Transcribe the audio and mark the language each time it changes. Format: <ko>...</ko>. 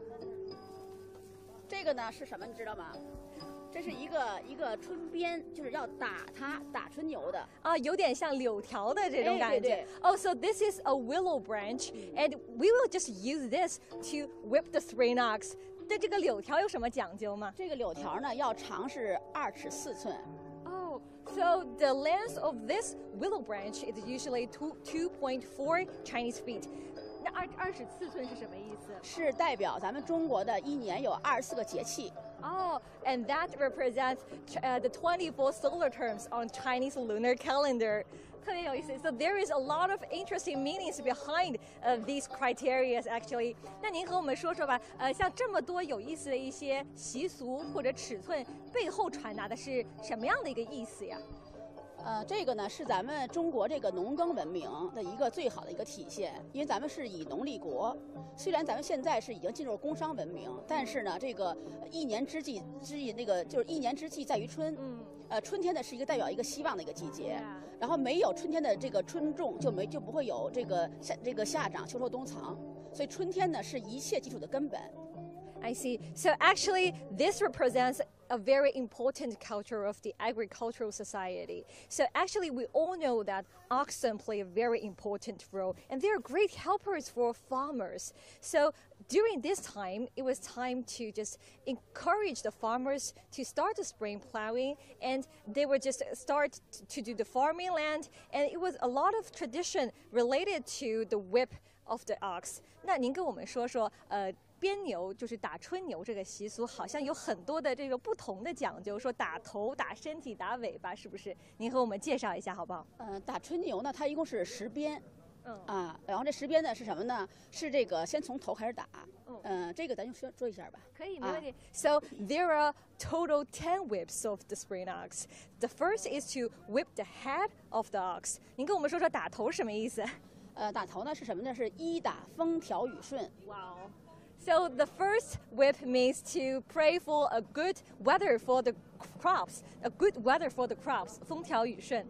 <zh>这个还有一个，就是在这儿已经放好了。这个呢是什么，你知道吗？这是一个春鞭，就是要打春牛的，有点像柳条的这种感觉。</zh> <en>So this is a willow branch, and we will just use this to whip the spring ox.</en> <zh>对这个柳条有什么讲究吗？这个柳条呢，要长是2尺4寸。</zh> <en>So the length of this willow branch is usually 2.4 Chinese feet.</en> <zh>那二十四寸是什么意思？是代表咱们中国的一年有24个节气。</zh> <en>Oh, and that represents the 24 solar terms on Chinese lunar calendar.</en> <zh>特别有意思,</zh> <en>so there is a lot of interesting meanings behind these criteria, actually.</en> <zh>那您和我们说说吧, 像这么多有意思的一些习俗或者尺寸, 背后传达的是什么样的一个意思呀? 这个呢是咱们中国这个农耕文明的一个最好的一个体现，因为咱们是以农立国，虽然咱们现在是已经进入工商文明，但是呢这个一年之计那个就是一年之计在于春，春天呢是一个代表一个希望的一个季节，然后没有春天的这个春种，就不会有这个夏长秋收冬藏，所以春天呢是一切基础的根本。</zh> <en>I see. So actually, this represents a very important culture of the agricultural society. So actually, we all know that oxen play a very important role, and they are great helpers for farmers. So during this time, it was time to just encourage the farmers to start the spring plowing, and they would just start to do the farming land, and it was a lot of tradition related to the whip of the ox.</en> <zh>那您跟我们说说鞭牛就是打春牛这个习俗好像有很多的这个不同的讲究，说打头打身体打尾巴，是不是您和我们介绍一下好不好？打春牛呢它一共是十鞭，然后这十鞭呢是什么呢，是这个先从头开始打，这个咱就说一下吧。可以，没问题。</zh> <en>So there are total 10 whips of the spring ox. The first is to whip the head of the ox.</en> <zh>您跟我们说说打头什么意思？打头呢是什么呢，是一打风调雨顺。哇哦。</zh> <en>So the first whip means to pray for a good weather for the crops, a good weather for the crops,</en> <zh>风调雨顺。</zh>